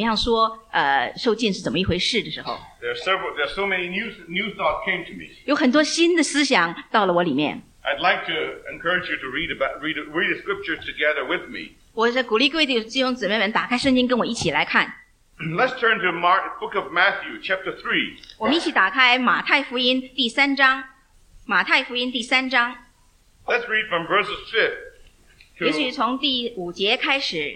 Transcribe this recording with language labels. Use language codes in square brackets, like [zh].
[zh] 当我再重新看一次，当神怎么样说，受浸是怎么一回事的时候， [en] there are so many new thoughts came to me. [zh] 有很多新的思想到了我里面。 [en] I'd like to encourage you to read the scriptures together with me. [zh] 我是鼓励各位弟兄姊妹们打开圣经跟我一起来看。 [en] Let's turn to Mark, Book of Matthew, Chapter 3. [zh] 我们一起打开马太福音第三章。马太福音第三章。 [en] Let's read from verses 5. [zh] 也许从第五节开始,